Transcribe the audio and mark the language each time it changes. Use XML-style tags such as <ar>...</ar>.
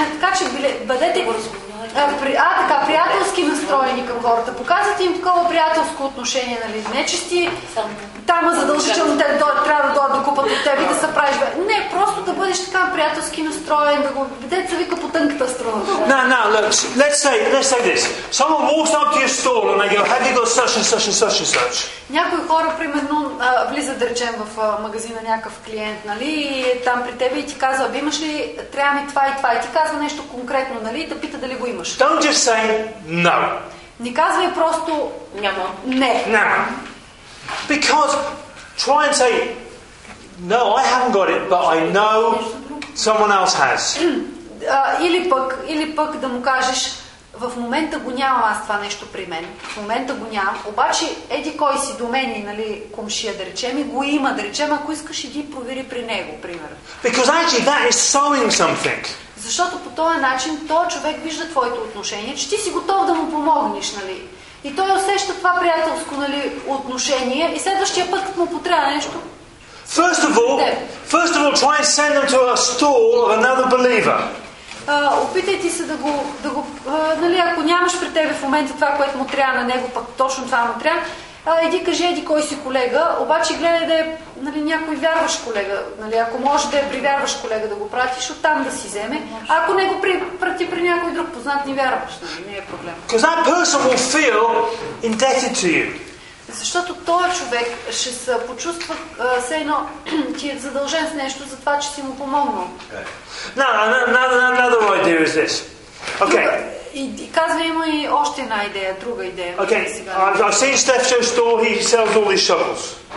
<bg>Така че бъдете така, приятелски настроени към хората. Показвате им такова приятелско отношение, нали? Не че си там задължително те трябва да дойдат да купат от теб и да се правиш. Не, просто да бъдеш така приятелски настроен, да го бъдете, вика по тънката струна.</bg> <en>Let's say this. Someone walks up to your store and they go, have you got such and such and such and such?</en> <bg>Някои хора, примерно, влиза да речем в магазина някакъв клиент, нали, и там при тебе и ти казва, би имаш ли, трябва ми това и това, и ти казва нещо конкретно, нали, да пита дали го имаш.</bg> <en>Don't just say no.</en> <bg>Не казвай просто няма. Не.</bg> <en>No. Because try and say, no, I haven't got it, but I know someone else has.</en> <bg>Или пък да му кажеш, в момента го нямам аз това нещо при мен. В момента го нямам. Обаче, еди кой си до мен, нали, комшия, да речем, и го има, да речем, ако искаш, иди провери при него, примерно.</bg> <en>Because actually that is sowing something.</en> <bg>Защото по този начин този човек вижда твоето отношение, че ти си готов да му помогнеш, нали. И той усеща това приятелско, нали, отношение и следващия път, като му потреба нещо.</bg> <en>First of all, try and send them to a stall of another believer.</en> <bg>Опитайте се да го нали, ако нямаш при тебе в момента това, което му трябва на него, пък точно това му трябва, иди кажи, еди кой си колега, обаче гледай да е, нали, някой вярваш колега, нали, ако може да е привярваш колега да го пратиш, оттам да си вземе, а ако не го прати при някой друг познат, не вярваш, нали, не е проблем.</bg> <en>Because that person will feel indebted to you.</en> <bg>Защото този човек ще се почувства все едно, ти е задължен с нещо за това, че си му помогнал.</bg> <en>Another idea is this. Okay.</en> <bg>И казва, има и още една идея, друга идея.</bg> <en>Okay. I've seen Steph's store, he sells all these shovels.</en>